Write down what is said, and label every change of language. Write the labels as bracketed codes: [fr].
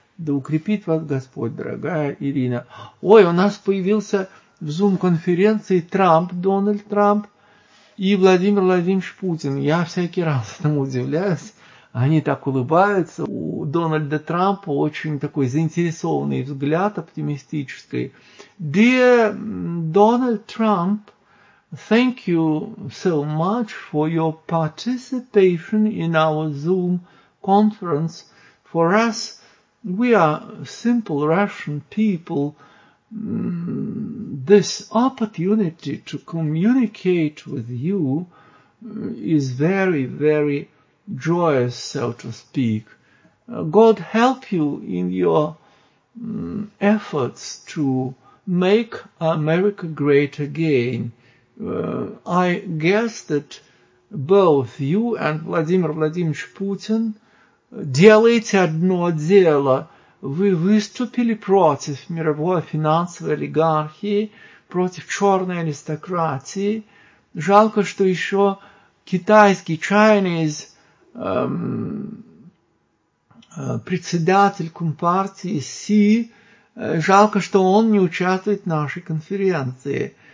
[ru] Да укрепит вас Господь, дорогая Ирина. Ой, у нас появился в Zoom-конференции Трамп, Дональд Трамп и Владимир Владимирович Путин. Я всякий раз этому удивляюсь. Они так улыбаются. У Дональда Трампа очень такой заинтересованный взгляд, оптимистический. [en] Dear Donald Trump, thank you so much for your participation in our Zoom conference. For us, we are simple Russian people. This opportunity to communicate with you is very, very joyous, so to speak. God help you in your efforts to make America great again. I guess that both you and Vladimir Vladimirovich Putin [ru] делаете одно дело. Вы выступили против мировой финансовой олигархии, против черной аристократии. Жалко, что еще китайский, Chinese председатель компартии Си, жалко, что он не участвует в нашей конференции.